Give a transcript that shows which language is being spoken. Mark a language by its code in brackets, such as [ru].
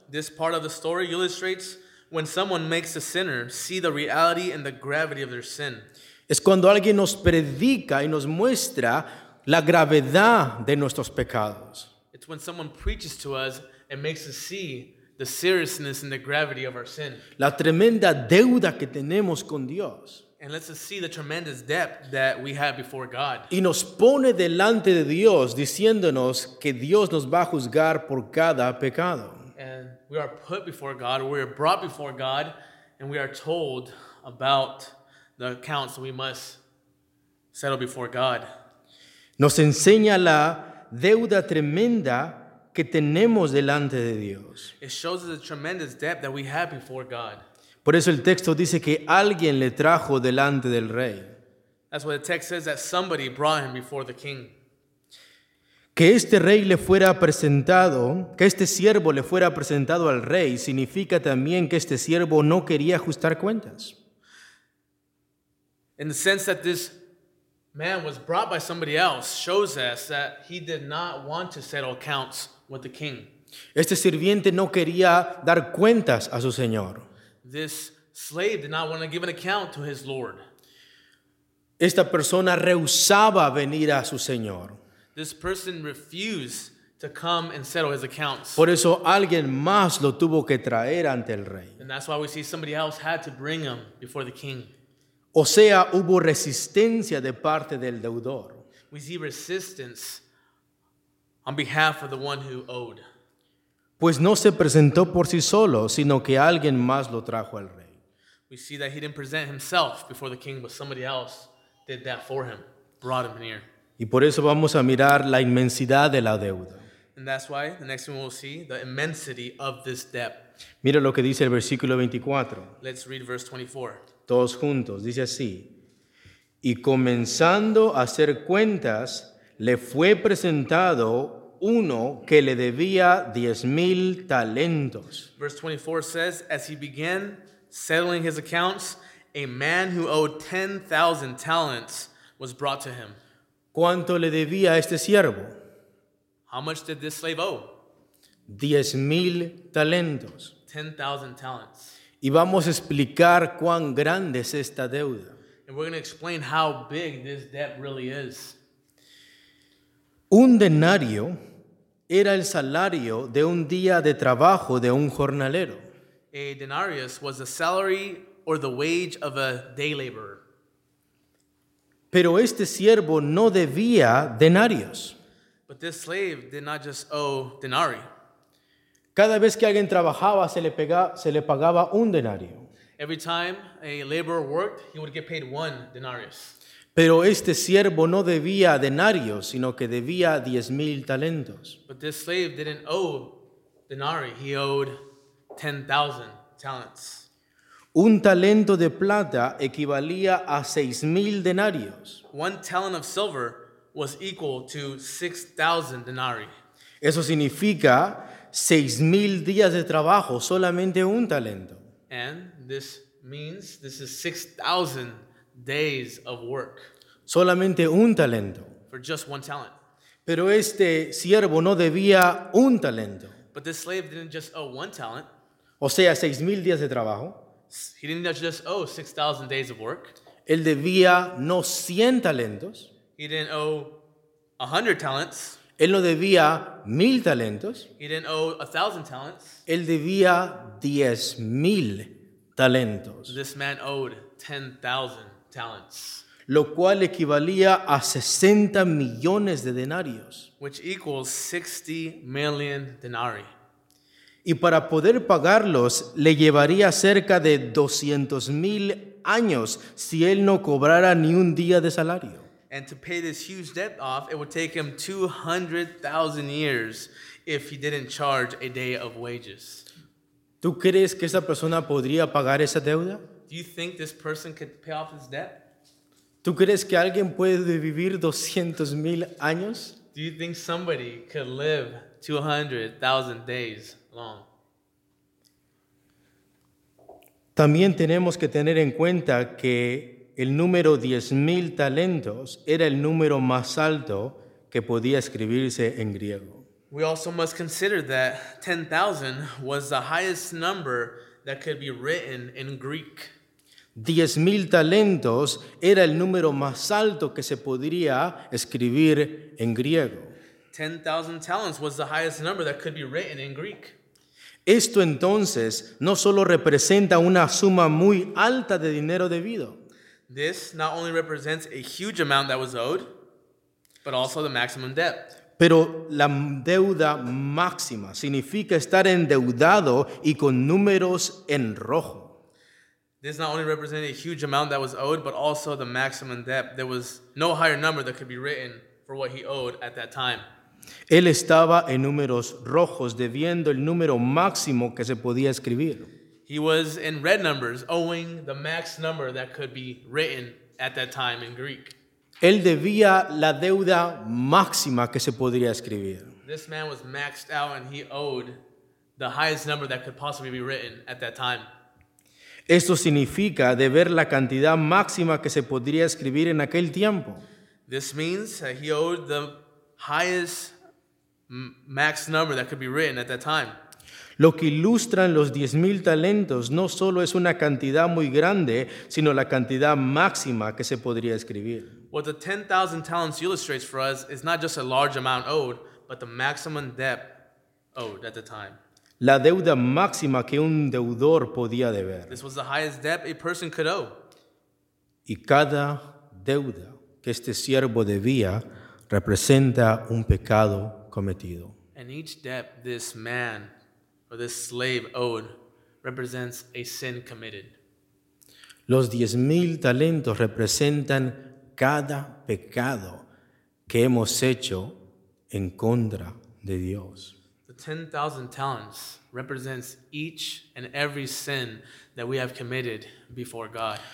[en] This part of the story illustrates when someone makes a sinner see the reality and the gravity of their sin. [es] Es cuando alguien nos predica y nos muestra la gravedad de nuestros pecados. [en] It's when someone preaches to us and makes us see the seriousness and the gravity of our sin. [es] La tremenda deuda que tenemos con Dios. [en] And lets us see the tremendous debt that we have before God. [es] Y nos pone delante de Dios diciéndonos que Dios nos va a juzgar por cada pecado. [en] And we are put before God, we are brought before God, and we are told about the accounts we must settle before God. [es] Nos enseña la deuda tremenda que tenemos delante de Dios. [en] It shows us the tremendous debt that we have before God. [es] Por eso el texto dice que alguien le trajo delante del rey. [en] That's what the text says, that somebody brought him before the king. [es] Que este rey le fuera presentado, que este siervo le fuera presentado al rey, significa también que este siervo no quería ajustar cuentas. [en] In the sense that this man was brought by somebody else, shows us that he did not want to settle accounts with the king. [es] Este sirviente no quería dar cuentas a su señor. [en] This slave did not want to give an account to his lord. [es] Esta persona rehusaba venir a su señor. [en] This person refused to come and settle his accounts. [es] Por eso alguien más lo tuvo que traer ante el rey. [en] And that's why we see somebody else had to bring him before the king. [es] O sea, hubo resistencia de parte del deudor. [en] We see resistance on behalf of the one who owed. [es] Pues no se presentó por sí solo, sino que alguien más lo trajo al rey. [en] We see that he didn't present himself before the king, but somebody else did that for him, brought him here. [es] Y por eso vamos a mirar la inmensidad de la deuda. [en] And that's why the next one we'll see, the immensity of this debt. [es] Mira lo que dice el versículo 24. [en] Let's read verse 24. [es] Todos juntos, dice así. Y comenzando a hacer cuentas, le fue presentado uno que le debía 10,000 talentos. [en] Verse 24 says, as he began settling his accounts, a man who owed 10,000 talents was brought to him. [es] ¿Cuánto le debía este siervo? [en] How much did this slave owe? [es] 10,000 talentos. [en] 10,000 talents. [es] Y vamos a explicar cuán grande es esta deuda. [en] And we're going to explain how big this debt really is. [es] Un denario era el salario de un día de trabajo de un jornalero. [en] A denarius was the salary or the wage of a day laborer. [es] Pero este siervo no debía denarios. [en] But this slave did not just owe denarii. [es] Cada vez que alguien trabajaba, se le pagaba un denario. [en] Every time a laborer worked, he would get paid one denarius. [es] Pero este siervo no debía denarios, sino que debía 10,000 talentos. [en] But this slave didn't owe denarii. He owed 10,000 talents. [es] Un talento de plata equivalía a 6,000 denarios. [en] One talent of silver was equal to 6,000 denarii. [es] Eso significa 6,000 días de trabajo, solamente un talento. [en] And this means this is 6,000 days of work. [es] solamente un talento. [en] For just one talent. [es] Pero este siervo no debía un talento. [en] But this slave didn't just owe one talent. [es] O sea, 6,000 días de trabajo. [en] He didn't just owe 6,000 days of work. [es] Él debía no 100 talentos. [en] He didn't owe 100 talents. [es] Él no debía 1,000 talentos. [en] He didn't owe 1,000 talents. [es] Él debía 10,000 talentos. [en] This man owed 10,000 talents. [es] Lo cual equivalía a 60 millones de denarios. [en] Which equals 60 million denarii. [es] Y para poder pagarlos, le llevaría cerca de 200,000 años si él no cobrara ni un día de salario. [en] And to pay this huge debt off, it would take him 200,000 years if he didn't charge a day of wages. [es] ¿Tú crees que esa persona podría pagar esa deuda? [en] Do you think this person could pay off his debt? [es] ¿Tú crees que alguien puede vivir 200,000 años? [en] Do you think somebody could live 200,000 days? [es] También tenemos que tener en cuenta que el número 10,000 talentos era el número más alto que podía escribirse en griego. [en] We also must consider that 10,000 was the highest number that could be written in Greek. [es] 10,000 talentos era el número más alto que se podría escribir en griego. [en] 10,000 talents was the highest number that could be written in Greek. [es] Esto entonces no solo representa una suma muy alta de dinero debido. [en] This not only represents a huge amount that was owed, but also the maximum debt. [es] Pero la deuda máxima significa estar endeudado y con números en rojo. [en] This not only represents a huge amount that was owed, but also the maximum debt. There was no higher number that could be written for what he owed at that time. [es] Él estaba en números rojos, debiendo el número máximo que se podía escribir. [en] He was in red numbers, owing the max number that could be written at that time in Greek. [es] Él debía la deuda máxima que se podría escribir. [en] This man was maxed out and he owed the highest number that could possibly be written at that time. [es] Esto significa deber la cantidad máxima que se podría escribir en aquel tiempo. [en] This means that he owed the highest max number that could be written at that time. [es] Lo que ilustran los 10,000 talentos no solo es una cantidad muy grande, sino la cantidad máxima que se podría escribir. [en] What the 10,000 talents illustrates for us is not just a large amount owed, but the maximum debt owed at the time. [es] La deuda máxima que un deudor podía deber. [en] This was the highest debt a person could owe. [es] Y cada deuda que este siervo debía representa un pecado cometido. [en] And each debt this man or this slave owed represents a sin committed. [es] Los 10,000 talentos representan cada pecado que hemos hecho en contra de Dios. [en] The 10,000 talents represents each and every sin that we have committed before God.